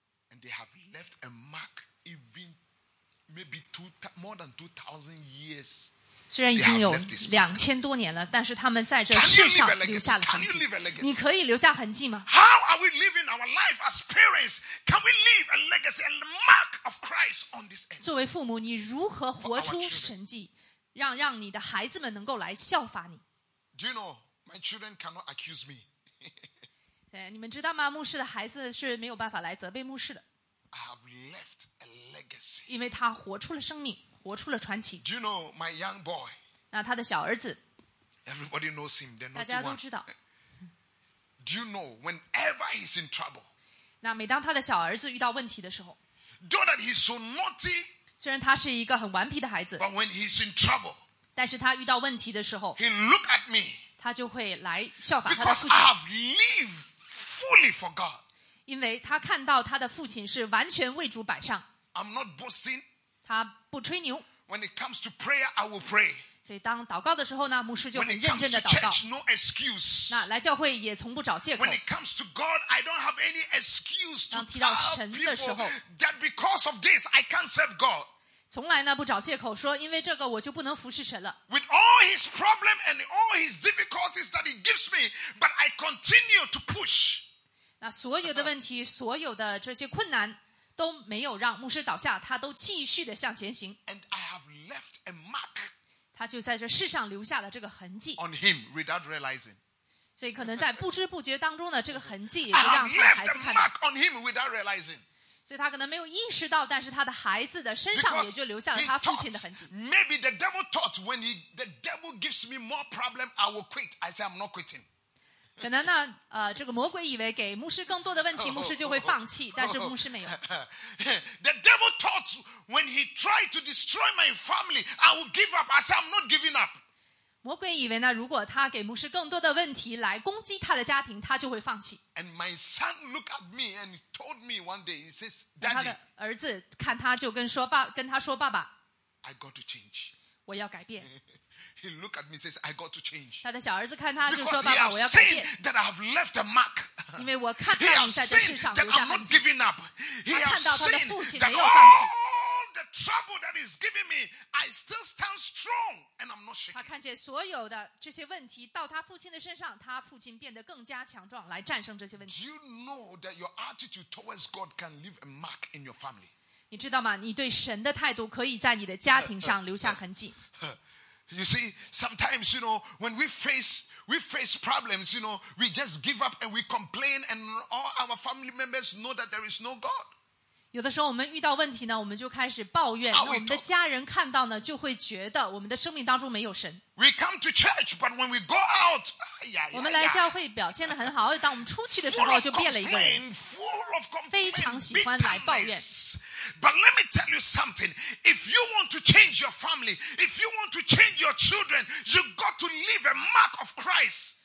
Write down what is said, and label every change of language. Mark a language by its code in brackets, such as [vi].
[en] And they have left a mark even maybe more than 2,000 years. [zh] 虽然已经有两千多年了但是他们在这世上留下了痕迹 [en] Can you leave a legacy? [zh] 你可以留下痕迹吗 [en] How are we living our life as parents? Can we leave a legacy, a mark of Christ on this earth? [zh] 作为父母你如何活出神迹让你的孩子们能够来效法你。 [en] Do you know, my children cannot accuse me. [zh] 对，你们知道吗？牧师的孩子是没有办法来责备牧师的。 [en] I have left a legacy. [zh] 因为他活出了生命，活出了传奇。 [en] Do you know my young boy? [zh] 那他的小儿子。 [en] Everybody knows him. They're not [zh] the one. 大家都知道。 [en] Do you know whenever he's in trouble? [zh] 那每当他的小儿子遇到问题的时候。 [en] Though that he's so naughty. [zh] 虽然他是一个很顽皮的孩子 [en] But when he's in trouble, [zh] 但是他遇到问题的时候 [en] he look at me, [zh] 他就会来效法他 [en] 的父亲 Because I have lived fully for God. [zh] 因为他看到他的父亲是完全为主摆上 [en] I'm not boasting. [zh] 他不吹牛 [en] When it comes to prayer, I will pray. [zh] 所以当祷告的时候呢牧师就很认真的祷告 [en] When it comes to church, no excuse. [zh] 那来教会也从不找借口 [en] When it comes to God, I don't have any excuse to tell people that because of this, I can't serve God. [zh] 从来呢不找借口说因为这个我就不能服侍神了。 [en] With all his problem and all his difficulties that he gives me, but I continue to push. [zh] 那所有的问题所有的这些困难都没有让牧师倒下他都继续的向前行。 [en] And I have left a mark. [zh] 他就在这世上留下了这个痕迹。 [en] On him without realizing. [zh] 所以可能在不知不觉当中呢这个痕迹也让他的孩子看到。 [en] I have left a mark on him without realizing. [zh] 所以他可能没有意识到但是他的孩子的身上也就留下了他父亲的痕迹 [en] thought, Maybe the devil thought when the devil gives me more problem I will quit I say I'm not quitting [zh] 可能呢这个魔鬼以为给牧师更多的问题牧师就会放弃但是牧师没有 [en] The devil thought when he tried to destroy my family I will give up I say I'm not giving up [zh] 魔鬼以为呢如果他给牧师更多的问题来攻击他的家庭他就会放弃 [en] And my son looked at me andTold me one day, he says, Daddy, [zh] 他的儿子看他就跟他说爸爸 [en] I got to change. [zh] 我要改变 [en] He looked at me and says, I got to change. [zh] 他的小儿子看他就说爸爸我要改变 [en] Because he has seen that I have left a mark. [zh] 因为我看到你在这世上留下痕迹 [en] He has seen that I'm not giving up. He has seen that all the trouble that he's giving me, I still stand strong and I'm not shaking. [zh] 他看见所有的这些问题到他父亲的身上他父亲变得更加强壮来战胜这些问题 [en] Do you know that your attitude towards God can leave a mark in your family? [zh] 你知道吗你对神的态度可以在你的家庭上留下痕迹 [en] You see, sometimes, you know, when we face problems, you know, we just give up and we complain and all our family members know that there is no God. [zh] 有的时候我们遇到问题呢我们就开始抱怨那我们的家人看到呢就会觉得我们的生命当中没有神 [en] We come to church, but when we go out, [zh] 我们来教会表现得很好当我们出去的时候就变了一个人 [en] full of complaint, [zh] 非常喜欢来抱怨 [en] bitterness, But let me tell you something. If you want to change your family, if you want to change your children, you got to leave a mark of Christ.